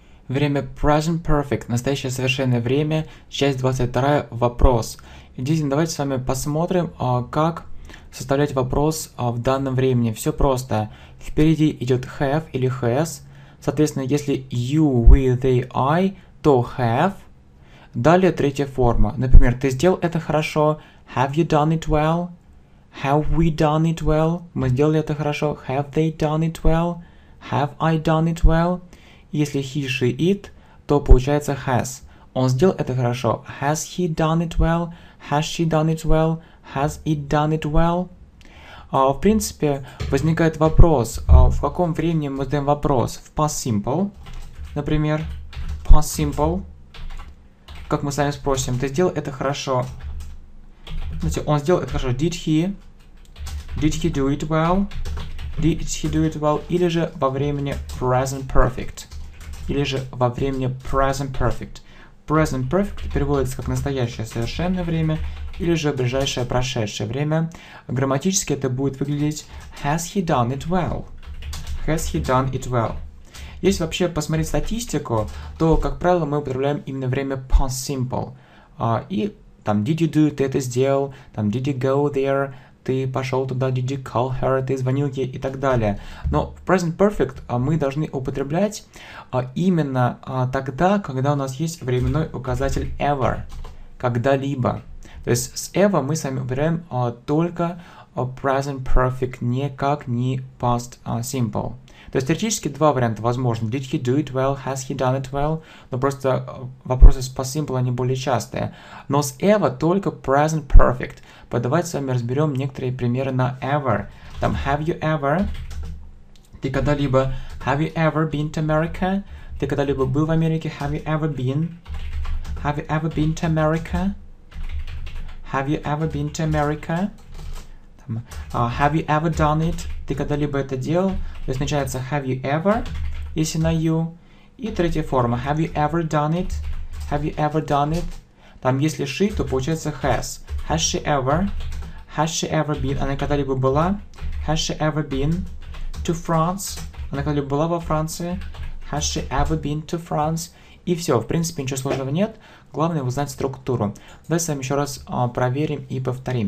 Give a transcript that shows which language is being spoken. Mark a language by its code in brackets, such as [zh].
[ru] Время present perfect, настоящее совершенное время, часть 22, вопрос. Здесь давайте с вами посмотрим, как составлять вопрос в данном времени. Все просто. Впереди идет have или has. Соответственно, если you, we, they, I, то have. Далее третья форма. Например, ты сделал это хорошо. [en] Have you done it well? Have we done it well? [ru] Мы сделали это хорошо. [en] Have they done it well? Have I done it well? [ru] Если he, she, it, то получается has. Он сделал это хорошо. [en] Has he done it well? Has she done it well? Has it done it well? [ru] В принципе, возникает вопрос, в каком времени мы задаем вопрос? В past simple, например. Past simple. Как мы с вами спросим, ты сделал это хорошо? Смотрите, он сделал это хорошо. [en] Did he? Did he do it well? Did he do it well? [ru] Или же во времени [en] present perfect. [ru] Или же во времени present perfect. Present perfect переводится как настоящее совершенное время, или же ближайшее прошедшее время. Грамматически это будет выглядеть [en] has he done it well? Has he done it well? [ru] Если вообще посмотреть статистику, то, как правило, мы употребляем именно время past simple. И там, [en] did you do, [ru] ты это сделал, там, [en] did you go there, [ru] ты пошел туда, [en] did you call her, [ru] ты звонил ей и так далее. Но в present perfect мы должны употреблять именно тогда, когда у нас есть временной указатель ever, когда-либо. То есть с ever мы с вами выбираем только present perfect, никак не past simple. То есть теоретически два варианта возможны. [en] Did he do it well? Has he done it well? [ru] Но просто вопросы с past simple, они более частые. Но с ever только present perfect. Давайте с вами разберем некоторые примеры на ever. Там have you ever? Ты когда-либо... [en] Have you ever been to America? [ru] Ты когда-либо был в Америке? [en] Have you ever been? Have you ever been to America? Have you ever been to America? Have you ever done it? [ru] Ты когда-либо это делал? То есть начинается [en] have you ever, [ru] если на you. И третья форма. [en] Have you ever done it? Have you ever done it? [ru] Там если she, то получается has. [en] Has she ever? Has she ever been? [ru] Она когда-либо была? [en] Has she ever been to France? [ru] Она когда-либо была во Франции? [en] Has she ever been to France? [ru] И все. В принципе, ничего сложного нет. Главное узнать структуру. Давай с вами еще раз проверим и повторим.